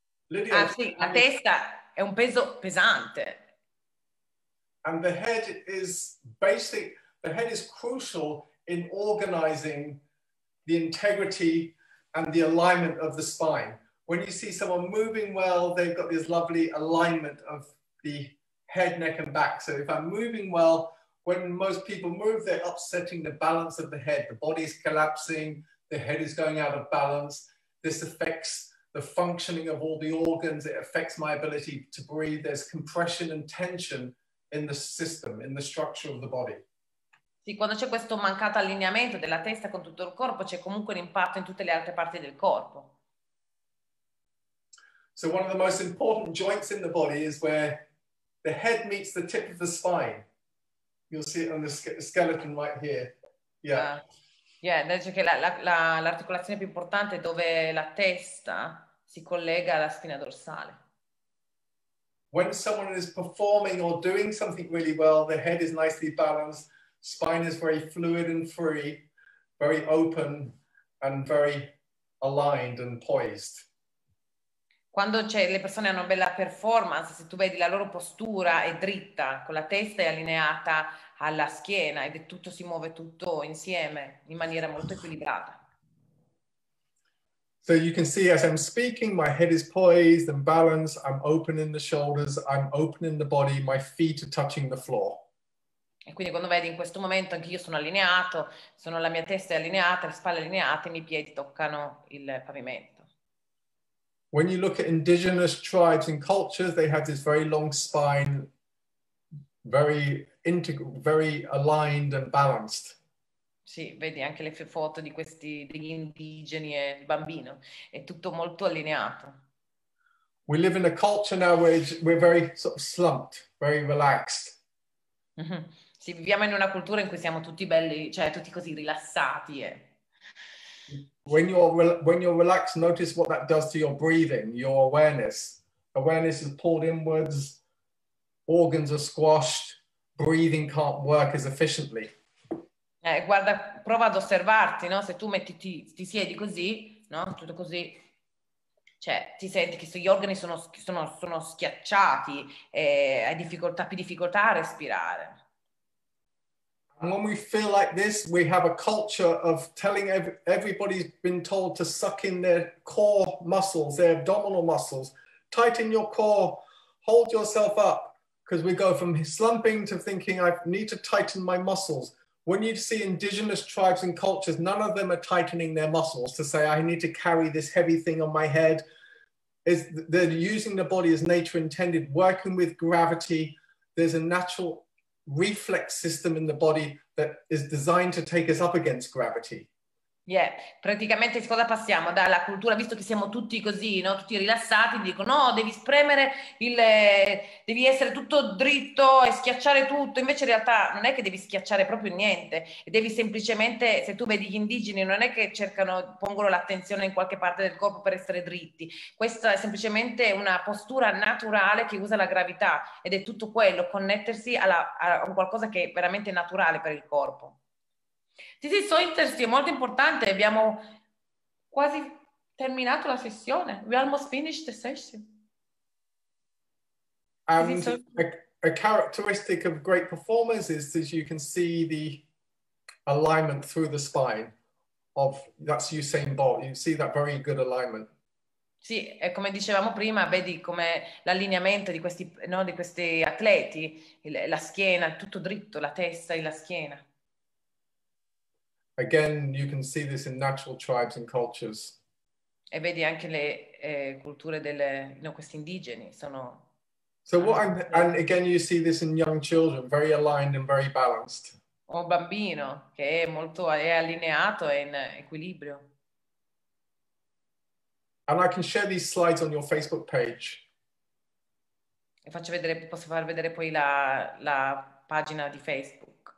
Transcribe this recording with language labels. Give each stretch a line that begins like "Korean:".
Italian: Lydia, ah sì, la testa è un peso pesante.
English: And the head is basic, the head is crucial in organizing the integrity and the alignment of the spine. When you see someone moving well, they've got this lovely alignment of the head, neck, and back. So if I'm moving well, when most people move, they're upsetting the balance of the head. The body's collapsing, the head is going out of balance, this affects the functioning of all the organs, it affects my ability to breathe, there's compression and tension in the system, in the structure of the body.
Italian: Sì, quando c'è questo mancato allineamento della testa con tutto il corpo, c'è comunque un impatto in tutte le altre parti del corpo.
English: So one of the most important joints in the body is where the head meets the tip of the spine. You'll see it on the skeleton right here. Yeah,
Italian: dice che l'articolazione più importante è dove la testa si collega alla spina dorsale.
English: When someone is performing or doing something really well, the head is nicely balanced, spine is very fluid and free, very open and very aligned and poised.
Italian: Quando c'è, le persone hanno una bella performance, se tu vedi la loro postura è dritta, con la testa è allineata alla schiena ed è tutto, si muove tutto insieme in maniera molto equilibrata.
English: So you can see as I'm speaking, my head is poised and balanced, I'm opening the shoulders, I'm opening the body, my feet are touching the floor.
Italian: E quindi quando vedi in questo momento anche io sono allineato, sono la mia testa è allineata, le spalle allineate, i miei piedi toccano il pavimento.
English: When you look at indigenous tribes and cultures, they had this very long spine, very integral, very aligned and balanced.
Italian: Sì, vedi anche le foto di questi degli indigeni e il bambino, è tutto molto allineato.
English: We live in a culture now where we're very sort of slumped, very relaxed. Mm-hmm.
Italian: Sì, viviamo in una cultura in cui siamo tutti belli, cioè tutti così rilassati e...
English: When you're relaxed, notice what that does to your breathing, your awareness. Awareness is pulled inwards, organs are squashed, breathing can't work as efficiently.
Italian: Guarda, prova ad osservarti, no? Se tu metti ti siedi così, no? Tutto così, cioè ti senti che gli organi sono schiacciati e hai difficoltà, più difficoltà a respirare.
English: And when we feel like this, we have a culture of telling everybody's been told to suck in their core muscles, their abdominal muscles. Tighten your core, hold yourself up, because we go from slumping to thinking I need to tighten my muscles. When you see indigenous tribes and cultures, none of them are tightening their muscles to say I need to carry this heavy thing on my head. It's, they're using the body as nature intended, working with gravity. There's a natural reflex system in the body that is designed to take us up against gravity.
Italian: Yeah, praticamente cosa passiamo dalla cultura, visto che siamo tutti così, no, tutti rilassati, dico no, devi spremere il, devi essere tutto dritto e schiacciare tutto, invece in realtà non è che devi schiacciare proprio niente, devi semplicemente, se tu vedi gli indigeni, non è che cercano, pongono l'attenzione in qualche parte del corpo per essere dritti, questa è semplicemente una postura naturale che usa la gravità ed è tutto quello, connettersi a qualcosa che è veramente naturale per il corpo. Sì, sì,
English: so interesting,
Italian: è molto importante. Abbiamo quasi terminato la sessione.
English: We almost finished the session. And a characteristic of great performers is that you can see the alignment through the spine of that's Usain Bolt. You see that very good alignment.
Italian: Sì, e come dicevamo prima, vedi come l'allineamento di questi, no, di questi atleti, la schiena, tutto dritto, la testa e la schiena.
English: Again, you can see this in natural tribes and cultures.
Italian: E vedi anche le culture delle, no, questi indigeni sono.
English: So what? And again, you see this in young children, very aligned and very balanced.
Italian: O bambino che è molto è allineato e in equilibrio.
English: And I can share these slides on your Facebook page.
Italian: E faccio vedere, posso far vedere poi la pagina di Facebook.